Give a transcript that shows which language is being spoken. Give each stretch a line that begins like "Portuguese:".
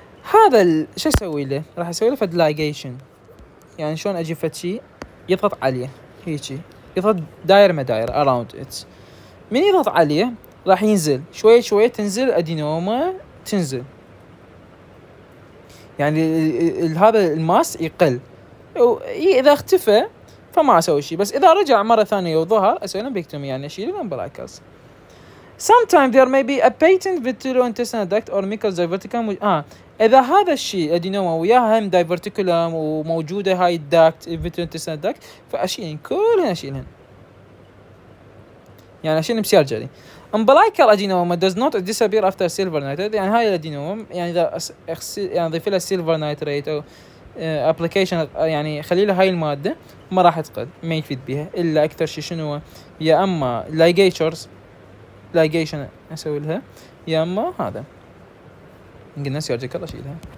Arabic: هذا شو اسوي له راح اسوي له فد ligation يعني شلون اجي فد شيء يضغط عليه هيجي يضغط دائره ما دائره around it من يضغط عليه راح ينزل شوي شوي تنزل ادينوما تنزل يعني هذا الماس يقل واذا اختفى فما اسوي شيء بس اذا رجع مره ثانيه وظهر اسوي لهم بيكتومي يعني اشيل لهم بلاكاس
English: Sometimes there may be a patent vitreointestinal duct or mucous diverticulum.
Arabic: إذا هذا الشيء أدينوما ويا هم diverticulum وموجودة هاي الدكت vitreointestinal duct فأشيلهن كلهن أشيلهن. يعني أشيلهن بسيار جري.
English: Umbilical adenoma does not disappear after silver nitrate.
Arabic: يعني هاي الأدينوما يعني إذا يعني ضيف لها silver nitrate أو application يعني خلي له هاي المادة ما راح تقد ما يفيد بها إلا أكثر شيء شنو يا أما ligatures ligation أسوي لها يا أما هذا قلنا سيرجيكال أشيلها.